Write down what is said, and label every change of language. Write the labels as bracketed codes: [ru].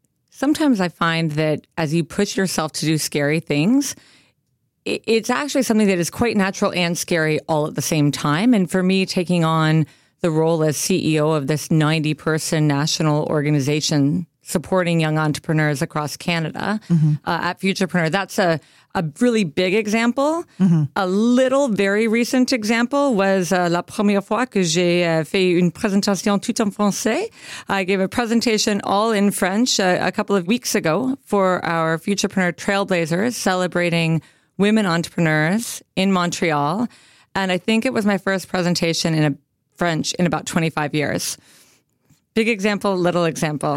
[en] Sometimes I find that as you push yourself to do scary things, it's actually something that is quite natural and scary all at the same time. And for me, taking on the role as CEO of this 90-person national organization supporting young entrepreneurs across Canada at Futurepreneur, that's a really big example. Mm-hmm. A little very recent example was [fr] la première fois que j'ai fait une présentation tout en français. [en] I gave a presentation all in French a couple of weeks ago for our Futurepreneur Trailblazers celebrating women entrepreneurs in Montreal. And I think it was my first presentation in French in about 25 years. Big example, little example.